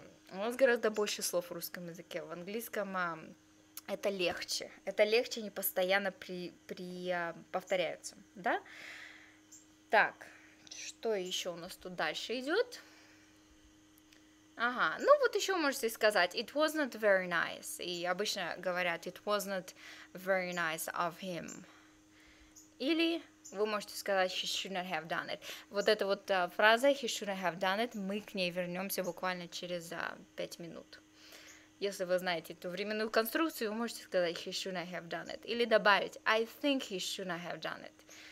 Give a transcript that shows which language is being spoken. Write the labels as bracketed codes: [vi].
[ru] У нас гораздо больше слов в русском языке. В английском это легче. Это легче, они постоянно повторяются. Да? Так, что еще у нас тут дальше идет? Ага, ну вот еще можете сказать [en] it was not very nice. [ru] И обычно говорят [en] it was not very nice of him. [ru] Или вы можете сказать [en] he shouldn't have done it. [ru] Вот эта вот фраза [en] he shouldn't have done it, [ru] мы к ней вернемся буквально через 5 минут. Если вы знаете эту временную конструкцию, вы можете сказать [en] he shouldn't have done it. [ru] Или добавить [en] I think he shouldn't have done it.